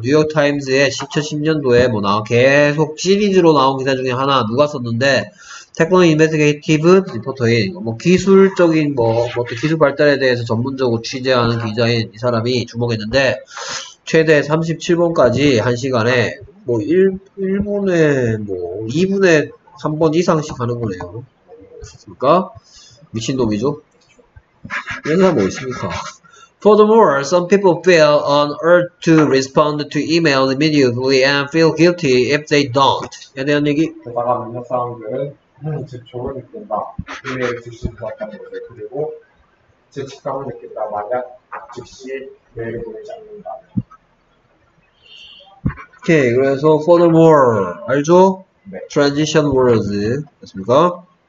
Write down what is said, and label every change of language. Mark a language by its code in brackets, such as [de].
[ko] 뉴욕 타임즈의 2010년도에 뭐 나와 계속 시리즈로 나온 기사 중에 하나 누가 썼는데 테크노 인베스티게이티브 리포터인 뭐 기술적인 뭐 어떤 기술 발달에 대해서 전문적으로 취재하는 기자인 이 사람이 주목했는데. 최대 37번까지 한 시간에 뭐 1분에 뭐 2분에 한번 이상씩 하는 거네요. 그러니까 미친놈이죠. 얘기가 뭐 있습니까? [en] Furthermore, some people fail on Earth to respond to emails immediately and feel guilty if they don't. [ko] 얘 대한 얘기. 게다가 몇몇 사람들은 제 조언을 듣는다. 이메일을 주실 것 같다는 거죠. 그리고 제 직감을 느낀다. 만약 즉시 메일을 보내지 않는다. 오케이, 그래서 furthermore 알죠? 네. [en] Transition words [ko] 맞습니까?